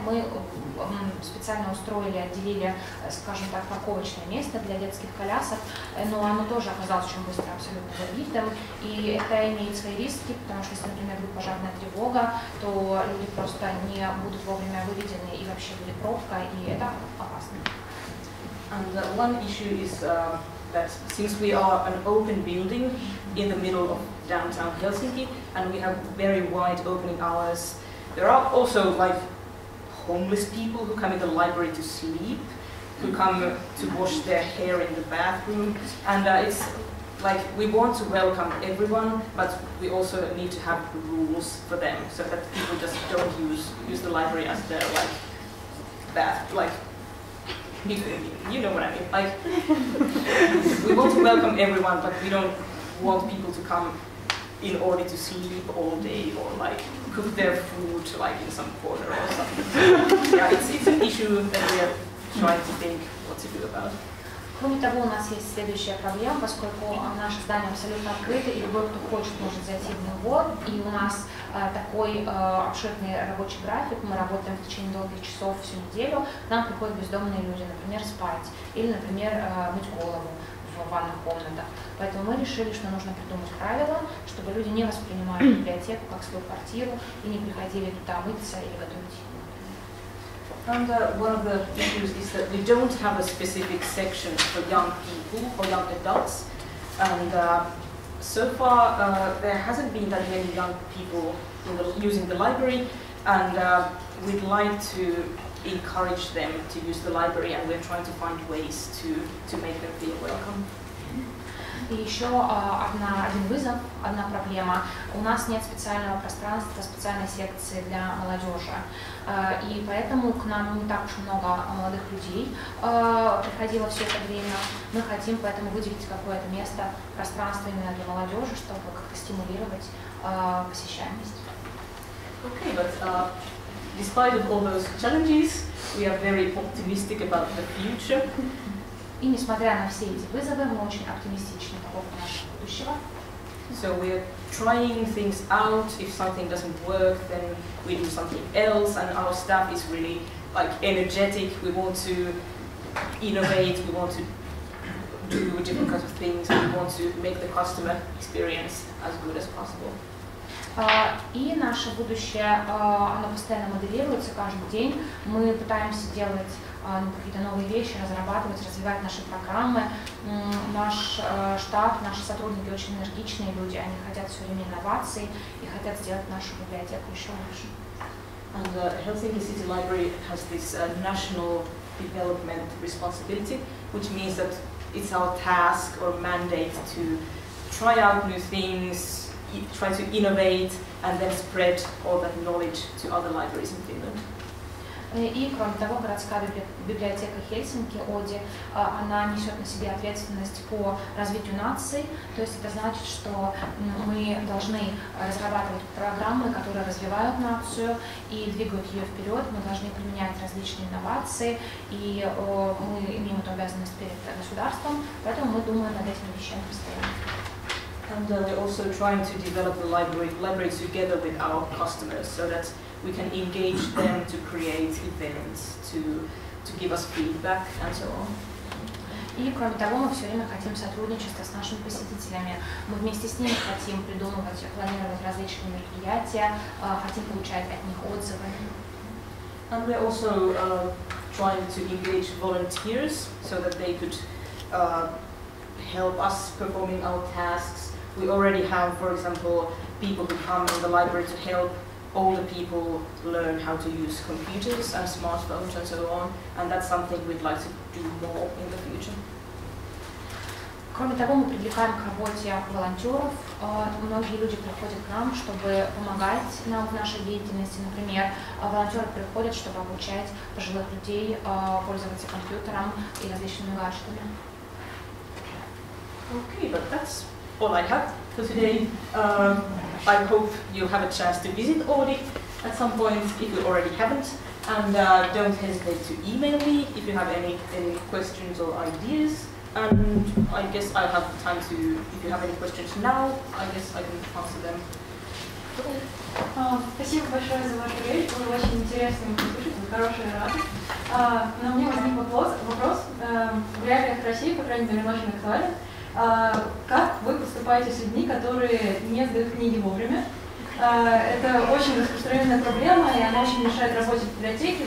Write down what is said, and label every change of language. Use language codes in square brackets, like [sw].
[ru] Мы специально устроили, отделили, скажем так, парковочное место для детских колясок, но оно тоже оказалось очень быстро абсолютно забитым, и это имеет свои риски, потому что, если, например, будет пожарная тревога, то люди просто не будут вовремя выведены, и вообще будет пробка, и это опасно. [en] And one issue is that since we are an open building in the middle of downtown Helsinki, and we have very wide opening hours, there are also like homeless people who come in the library to sleep, who come to wash their hair in the bathroom, and it's like we want to welcome everyone, but we also need to have rules for them so that people just don't use the library as their like bath, like. You know what I mean. Like, we want to welcome everyone, but we don't want people to come in order to sleep all day or like cook their food like in some corner or something. Yeah, it's an issue that we are trying to think what to do about. [ru] Кроме того, у нас есть следующая проблема, поскольку наше здание абсолютно открыто, и любой, кто хочет, может зайти в него. И у нас такой обширный рабочий график, мы работаем в течение долгих часов всю неделю, к нам приходят бездомные люди, например, спать, или, например, мыть голову в ванных комнатах. Поэтому мы решили, что нужно придумать правила, чтобы люди не воспринимали библиотеку как свою квартиру и не приходили туда мыться или готовить. [en] And one of the issues is that we don't have a specific section for young people, for young adults. And so far, there hasn't been that many young people using the library. And we'd like to encourage them to use the library, and we're trying to find ways to make them feel welcome. [ru] И еще один вызов, одна проблема. У нас нет специального пространства, специальной секции для молодежи. И поэтому к нам не так уж много молодых людей приходило все это время. Мы хотим поэтому выделить какое-то место, пространство именно для молодежи, чтобы как-то стимулировать посещаемость. [en] Okay, but despite of all those challenges, we are very optimistic about the future. [ru] И несмотря на все эти вызовы, мы очень оптимистичны по поводу нашего будущего. [en] So we are trying things out. If something doesn't work, then we do something else. And our staff is really like energetic. We want to innovate. We want to do different kinds of things. We want to make the customer experience as good as possible. [ru] И наше будущее, оно постоянно моделируется каждый день. Мы пытаемся делать какие-то новые вещи, разрабатывать, развивать наши программы. Наш штаб, наши сотрудники очень энергичные люди, они хотят все время инноваций и хотят сделать нашу библиотеку еще лучше. [en] And the Helsinki City Library has this national development responsibility, which means that it's our task or mandate to try out new things, try to innovate, and then spread all that knowledge to other libraries in Finland. [ru] И, кроме того, городская библиотека Хельсинки, Оди, она несет на себе ответственность по развитию нации. То есть это значит, что мы должны разрабатывать программы, которые развивают нацию и двигают ее вперед. Мы должны применять различные инновации, и мы имеем эту обязанность перед государством. Поэтому мы думаем над этими вещами постоянно. [en] And we're also trying to develop the library together with our customers so that we can engage them to create events, to give us feedback and so on. [ru] И кроме того, мы все время хотим сотрудничества с нашими посетителями. Мы вместе с ними хотим придумывать, планировать различные мероприятия, хотим получать от них отзывы. [en] And we're also trying to engage volunteers so that they could help us performing our tasks. We already have, for example, people who come in the library to help older people learn how to use computers and smartphones and so on, and that's something we'd like to do more in the future. [ru] Кроме того, мы привлекаем к работе волонтеров. Многие люди приходят к нам, чтобы помогать нам в нашей деятельности. Например, волонтеры приходят, чтобы обучать пожилых людей пользоваться компьютером и различными гаджетами. [en] Okay, but that's all I have for today. I hope you have a chance to visit Oodi at some point if you already haven't. And don't hesitate to email me if you have any questions or ideas. And I guess I have time to, if you have any questions now, I guess I can answer them. [ru] Спасибо большое за вашу речь, было очень интересно услышать, хорошая радость. Но у меня возник вопрос в реалиях России, по крайней мере, очень актуален. Как вы поступаете с людьми, которые не сдают книги вовремя? Это очень распространенная проблема, и она очень мешает работе в библиотеке.